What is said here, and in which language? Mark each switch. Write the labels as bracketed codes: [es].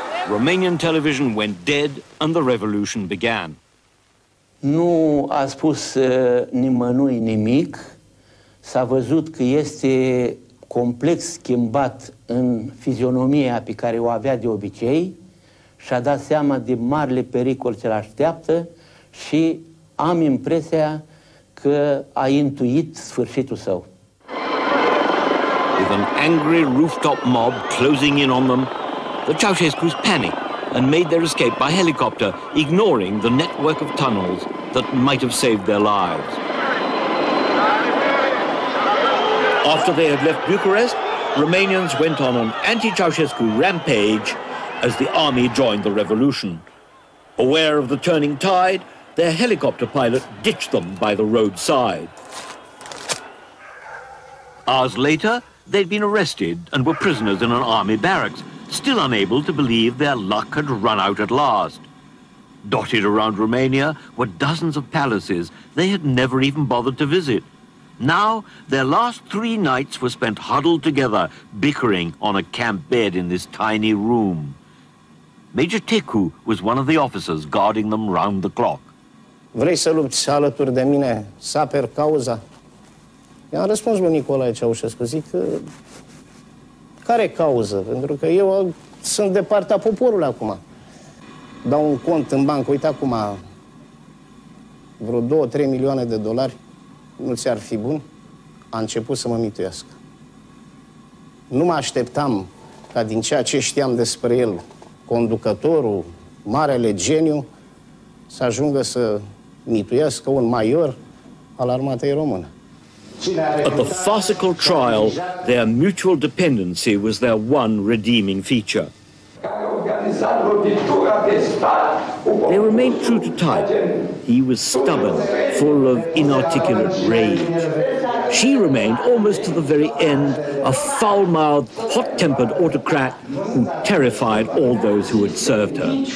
[en] Romanian television went dead and the revolution began. [ro] Nu a spus nimănui nimic, s-a văzut că este complex schimbat în fizionomia pe care o avea de obicei și a dat seama de marile pericole ce l-așteaptă și am impresia că a intuit sfârșitul său. [en] With an angry rooftop mob closing in on them, the Ceausescu's panic and made their escape by helicopter, ignoring the network of tunnels that might have saved their lives. After they had left Bucharest, Romanians went on an anti-Ceausescu rampage as the army joined the revolution. Aware of the turning tide, their helicopter pilot ditched them by the roadside. Hours later, they'd been arrested and were prisoners in an army barracks, still unable to believe their luck had run out at last. Dotted around Romania were dozens of palaces they had never even bothered to visit. Now, their last three nights were spent huddled together, bickering on a camp bed in this tiny room. Major Tecu was one of the officers guarding them round the clock. [ro] Vrei să lupți alături de mine? Saper cauza? I-am răspuns lui Nicolae Ceaușescu, zic că... Care cauză? Pentru că eu sunt de partea poporului acum. Dau un cont în bancă, uite acum, vreo 2-3 milioane de dolari, nu ți-ar fi bun? A început să mă mituiască. Nu mă așteptam ca din ceea ce știam despre el, conducătorul, marele geniu, să ajungă să mituiască un major al armatei române. [en] At the farcical trial, their mutual dependency was their one redeeming feature. They remained true to type. He was stubborn, full of inarticulate rage. She remained, almost to the very end, a foul-mouthed, hot-tempered autocrat who terrified all those who had served her.